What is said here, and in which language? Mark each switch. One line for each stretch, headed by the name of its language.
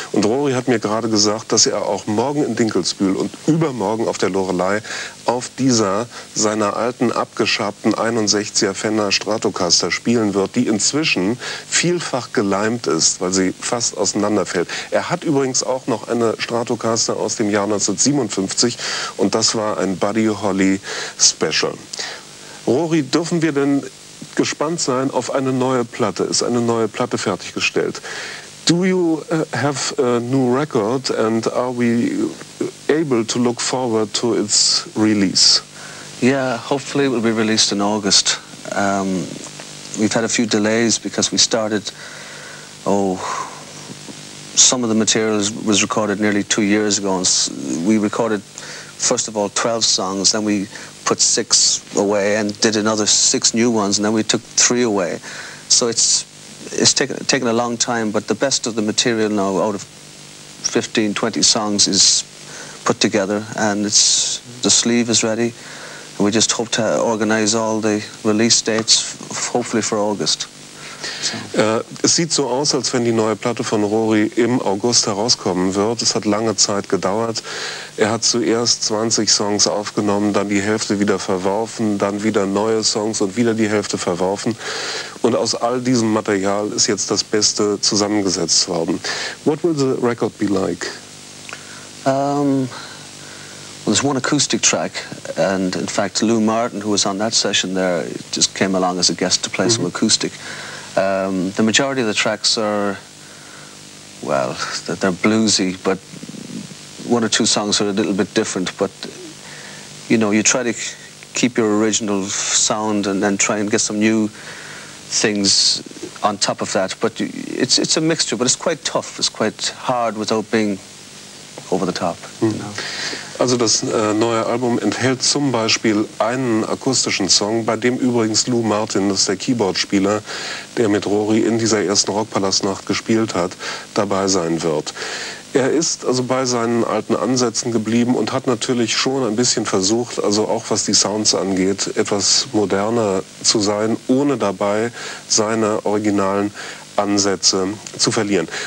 German: Und Rory hat mir gerade gesagt, dass er auch morgen in Dinkelsbühl und übermorgen auf der Lorelei auf dieser seiner alten abgeschabten 61er Fender Stratocaster spielen wird, die inzwischen vielfach geleimt ist, weil sie fast auseinanderfällt. Er hat übrigens auch noch eine Stratocaster aus dem Jahr 1957 und das war ein Buddy Holly Special. Rory, dürfen wir denn gespannt sein auf eine neue Platte? Ist eine neue Platte fertiggestellt?
English: Do you have a new record and are we able to look forward to its release? Yeah, hopefully it will be released in August. We've had a few delays because we started, some of the materials was recorded nearly 2 years ago. And we recorded, first of all, 12 songs, then we put 6 away and did another 6 new ones, and then we took 3 away. So it's taken a long time, but the best of the material now out of 15, 20 songs is put together, and it's the sleeve is ready. And we just hope to organize all the release dates, hopefully for August. So.
German: Es sieht so aus, als wenn die neue Platte von Rory im August herauskommen wird. Es hat lange Zeit gedauert. Er hat zuerst 20 Songs aufgenommen, dann die Hälfte wieder verworfen, dann wieder neue Songs und wieder die Hälfte verworfen. Und aus all diesem Material ist jetzt das Beste zusammengesetzt worden.
English: What will the record be like? There's one acoustic track, and in fact Lou Martin, who was on that session there, just came along as a guest to play some acoustic. The majority of the tracks are, well, they're bluesy, but one or two songs are a little bit different. But, you know, you try to keep your original sound and then try and get some new things on top of that. But it's a mixture, but it's quite tough. It's quite hard without being over the top.
German: Also das neue Album enthält zum Beispiel einen akustischen Song, bei dem übrigens Lou Martin, das ist der Keyboardspieler, der mit Rory in dieser ersten Rockpalastnacht gespielt hat, dabei sein wird. Er ist also bei seinen alten Ansätzen geblieben und hat natürlich schon ein bisschen versucht, also auch was die Sounds angeht, etwas moderner zu sein, ohne dabei seine originalen Ansätze zu verlieren.